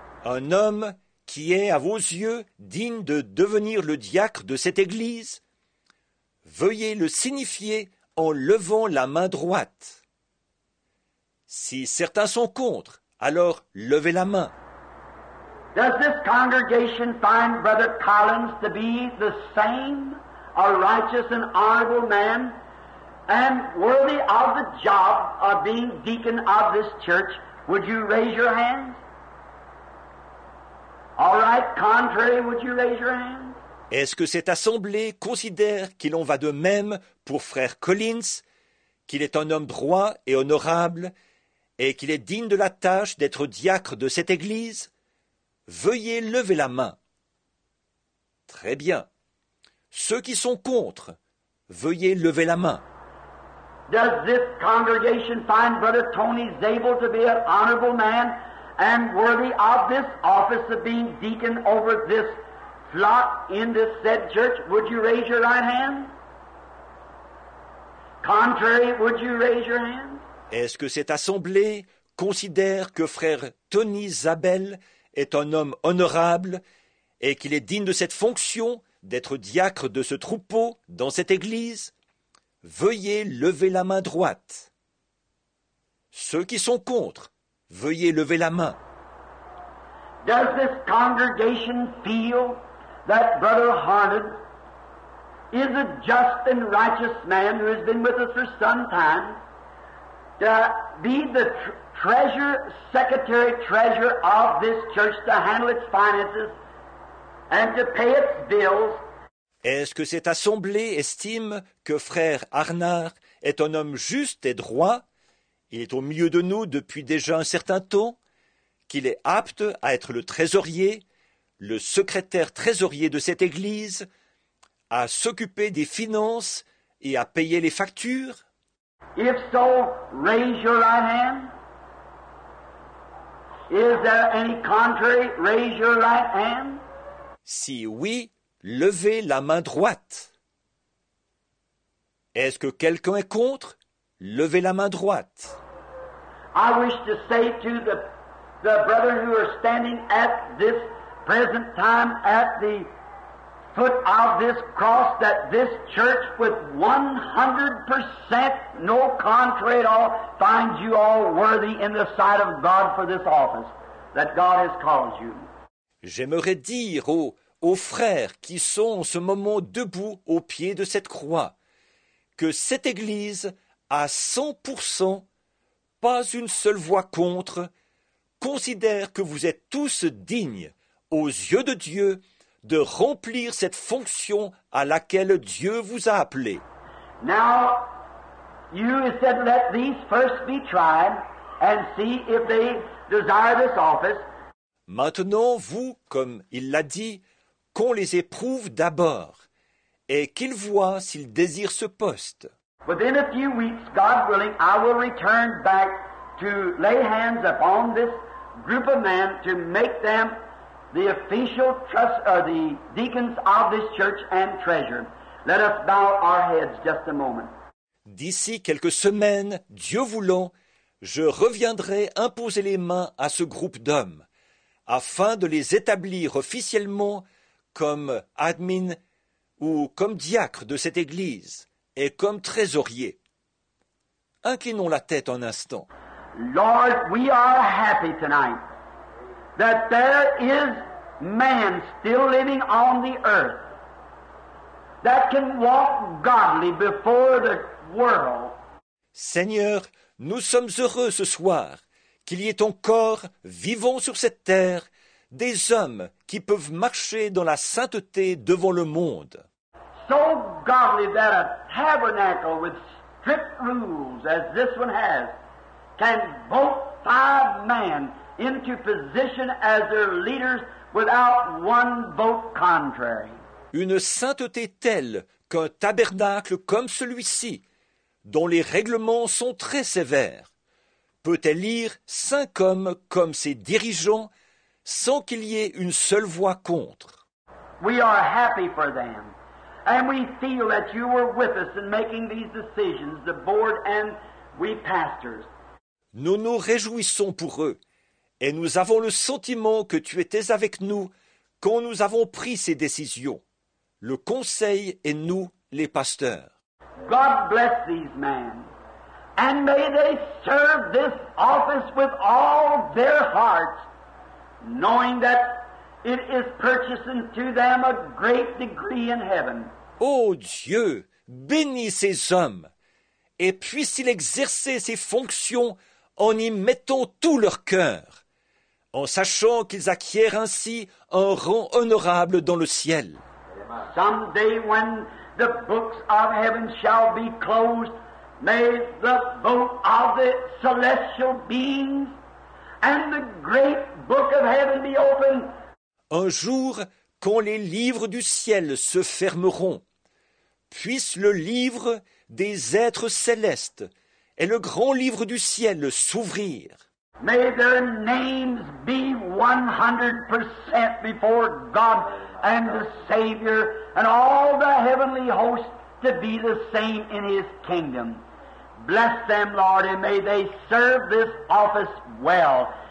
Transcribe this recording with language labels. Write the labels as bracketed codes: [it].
[fr] Un homme qui est à vos yeux digne de devenir le diacre de cette Église, veuillez le signifier en levant la main droite. Si certains sont contre, alors levez la main. [en] Does this congregation find Brother Collins to be the same, a righteous and honorable man, and worthy of the job of being deacon of this church? Would you raise your hand? All right, contrary, would you raise your hand? [fr] Est-ce que cette assemblée considère qu'il en va de même pour Frère Collins, qu'il est un homme droit et honorable, et qu'il est digne de la tâche d'être diacre de cette église? Veuillez lever la main. Très bien. Ceux qui sont contre, veuillez lever la main. [en] Does this congregation find Brother Tony Zabel to be an honorable man and worthy of this office of being deacon over this flock in this said church? Would you raise your right hand? Contrary, would you raise your hand? [fr] Est-ce que cette assemblée considère que Frère Tony Zabel est un homme honorable et qu'il est digne de cette fonction d'être diacre de ce troupeau dans cette église? Veuillez lever la main droite. Ceux qui sont contre, veuillez lever la main. [en] Does this congregation feel that Brother Harned is a just and righteous man who has been with us for some time? To be the treasurer, secretary, treasurer of this church, to handle its finances and to pay its bills. [fr] Est-ce que cette assemblée estime que Frère Arnard est un homme juste et droit? Il est au milieu de nous depuis déjà un certain temps. Qu'il est apte à être le trésorier, le secrétaire trésorier de cette église, à s'occuper des finances et à payer les factures? [en] If so, raise your right hand. Is there any contrary? Raise your right hand. [fr] Si oui, levez la main droite. Est-ce que quelqu'un est contre? Levez la main droite. [en] I wish to say to the brethren who are standing at this present time at the foot of this cross, that this church with 100%, no contrary at all, finds you all worthy in the sight of God for this office that God has called you. [fr] J'aimerais dire aux frères qui sont en ce moment debout au pied de cette croix que cette église à 100%, pas une seule voix contre, considère que vous êtes tous dignes aux yeux de Dieu de remplir cette fonction à laquelle Dieu vous a appelé. [en] Now, you said let these first be tried and see if they desire this office. [fr] Maintenant, vous, comme il l'a dit, qu'on les éprouve d'abord et qu'ils voient s'ils désirent ce poste. [en] Within a few weeks, God willing, I will return back to lay hands upon this group of men to make them the official trust, the deacons of this church and treasurer. Let us bow our heads just a moment. [fr] D'ici quelques semaines, Dieu voulant, je reviendrai imposer les mains à ce groupe d'hommes, afin de les établir officiellement comme admin ou comme diacre de cette église et comme trésorier. Inclinons la tête un instant. [en] Lord, we are happy tonight that there is man still living on the earth that can walk godly before the world. [fr] Seigneur, nous sommes heureux ce soir qu'il y ait encore, vivant sur cette terre, des hommes qui peuvent marcher dans la sainteté devant le monde. [en] So godly that a tabernacle with strict rules, as this one has, can both five men into position as their leaders without one vote contrary. [fr] Une sainteté telle qu'un tabernacle comme celui-ci, dont les règlements sont très sévères, peut élire cinq hommes comme ses dirigeants sans qu'il y ait une seule voix contre. [en] We are happy for them, and we feel that you were with us in making these decisions, the board and we pastors. [fr] Nous nous réjouissons pour eux, et nous avons le sentiment que tu étais avec nous quand nous avons pris ces décisions, le conseil et nous, les pasteurs. [en] God bless these men. And may they serve this office with all their hearts, knowing that it is purchasing to them a great degree in heaven. [fr] Oh Dieu, bénis ces hommes, et puissent-ils exercer ces fonctions en y mettant tout leur cœur, en sachant qu'ils acquièrent ainsi un rang honorable dans le ciel. [en] Someday when the books of heaven shall be closed, may the book of the celestial beings and the great book of heaven be open. [fr] Un jour, quand les livres du ciel se fermeront, puisse le livre des êtres célestes et le grand livre du ciel s'ouvrir. [en] May their names be 100% before God and the Savior and all the heavenly hosts to be the same in His kingdom. Bless them, Lord, and may they serve this office well.